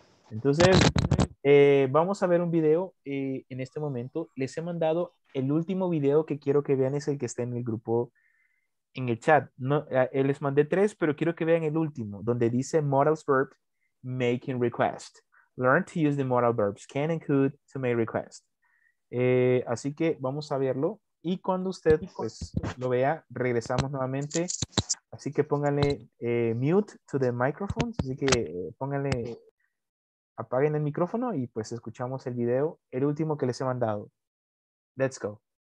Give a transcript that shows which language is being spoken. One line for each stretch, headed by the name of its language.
Spanish: Entonces, vamos a ver un video en este momento. Les he mandado el último video que quiero que vean es el que está en el grupo en el chat. No, les mandé tres, pero quiero que vean el último, donde dice modal verb making request.
English: Learn to use the modal verbs can and could to make request.
Spanish: Así que vamos a verlo. Y cuando usted pues, lo vea, regresamos nuevamente. Así que póngale mute
English: to the microphone.
Spanish: Así que póngale, apaguen el micrófono y pues escuchamos el video, el último que les he mandado.
English: Let's go.